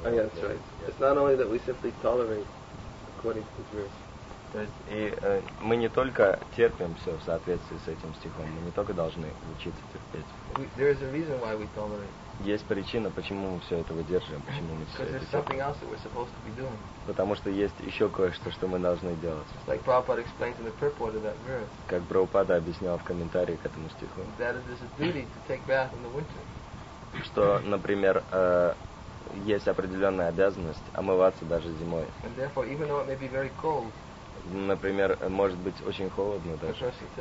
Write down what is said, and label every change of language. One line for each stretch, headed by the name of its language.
English: Oh, yeah, that's right. Yes. It's not only that we simply tolerate according to this verse.
Russian: То есть и мы не только терпим все в соответствии с этим стихом, мы не только должны учиться терпеть.
English: There is a reason why we tolerate.
Russian: Есть причина, почему мы все это выдерживаем, почему мы все это терпим.
English: Because there's something else that we're supposed to be doing.
Russian: Потому что есть еще кое-что, что мы должны делать.
English: Like Prabhupada explained in the purport of that verse.
Russian: Как Прабхупада объяснял в комментарии к этому стиху.
English: That it is a duty to take bath in the winter.
Russian: Что, например, есть определенная обязанность омываться даже зимой.
English: And therefore, even though it may be very cold.
Russian: Например, может быть очень холодно даже.